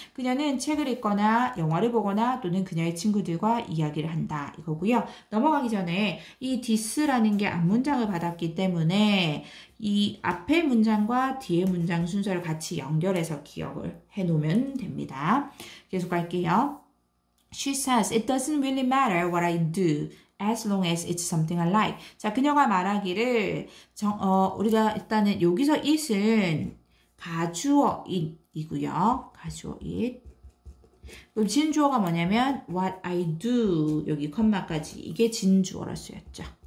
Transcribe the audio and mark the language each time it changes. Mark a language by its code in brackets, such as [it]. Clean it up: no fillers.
[ko] 그녀는 책을 읽거나 영화를 보거나 또는 그녀의 친구들과 이야기를 한다 이거고요. 넘어가기 전에 이 this라는 게 앞문장을 받았기 때문에 이 앞에 문장과 뒤에 문장 순서를 같이 연결해서 기억을 해놓으면 됩니다. 계속 갈게요. [en] She says, "It doesn't really matter what I do." As long as it's something I like. [ko] 자, 그녀가 말하기를, 우리가 일단은 여기서 it은 가주어 it이고요. 가주어 it. 그럼 진주어가 뭐냐면, [en] what I do. [ko] 여기 콤마까지. 이게 진주어라 쓰였죠.